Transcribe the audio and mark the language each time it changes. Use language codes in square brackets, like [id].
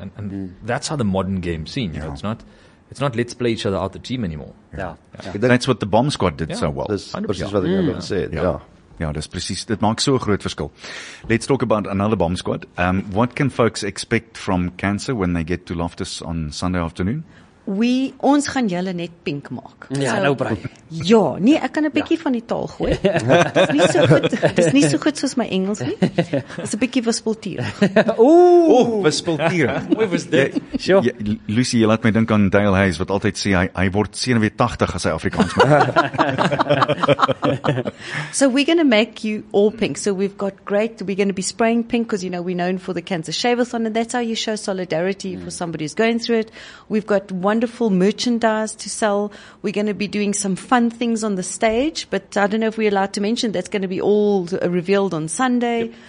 [en] And that's how the modern game's seen. Yeah. It's not let's play each other out the team anymore. Yeah. That's what the bomb squad did so well. That's precisely what the government said. Yeah, that's precisely. That makes so a great verschil. Let's talk about another bomb squad. What can folks expect from Cancer when they get to Loftus on Sunday afternoon? [af] Ons gaan julle net pink maak. Ja, so, nou braai. Ja, nee, ek kan 'n bietjie van die taal gooi. Dis nie so goed soos my Engels nie. Dis 'n bietjie wispeltier. Ooh, wispeltier. [en] Where was that? Sure. [af] Ja, Lucy, jy laat my dink aan Dale Hayes, wat altyd sê, hy word 87 as hy Afrikaans maak. [en] So we're going to make you all pink. So we've got great, we're going to be spraying pink, because you know, we're known for the Cancer Shave-a-thon, and that's how you show solidarity for somebody who's going through it. We've got wonderful merchandise to sell. We're going to be doing some fun things on the stage, but I don't know if we're allowed to mention that's going to be all revealed on Sunday. Yep.